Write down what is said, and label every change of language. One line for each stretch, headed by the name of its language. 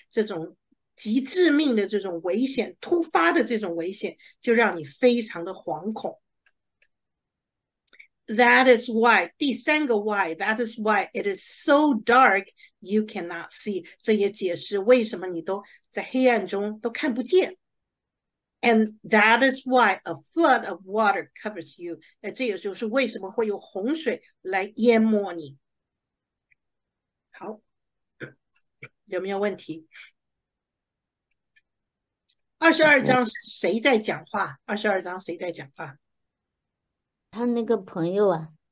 Chinese: 这种极致命的这种危险，突发的这种危险，就让你非常的惶恐。
English: That is why，
Chinese: 第三个
English: why，that is why it is so dark you cannot see。
Chinese: 这也解释为什么你都在黑暗中都看不见。
English: And that is why a flood of water covers you。
Chinese: 那这也就是为什么会有洪水来淹没你。好，有没有问题？二十二章是谁在讲话？二十二章谁在讲话？他那个朋友啊，